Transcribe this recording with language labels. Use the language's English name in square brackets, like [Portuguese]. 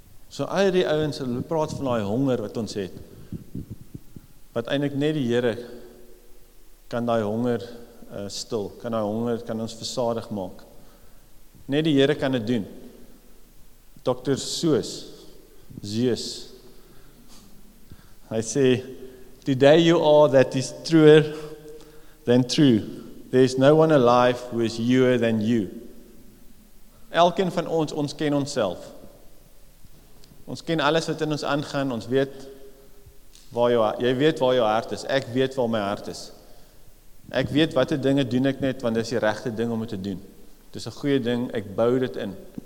[Afrikaans] So al die ouens, hulle praat van daai honger wat ons het, wat eintlik net die Here kan daai honger stil, kan daai honger, kan ons versadig maak. Net die Here kan dit doen. Dr. [English] Zeus, [Afrikaans] hy sê, [English] "Today you are that is truer than true. There is no one alive who is youer than you." [Afrikaans] Elkeen van ons ken onsself. Ons ken alles wat in ons aangaan, ons weet, jy weet waar jou hart is, ek weet waar my hart is. Ek weet wat die dinge doen ek net, want dit is die regte ding om te doen. Dit is 'n goeie ding, ek bou dit in.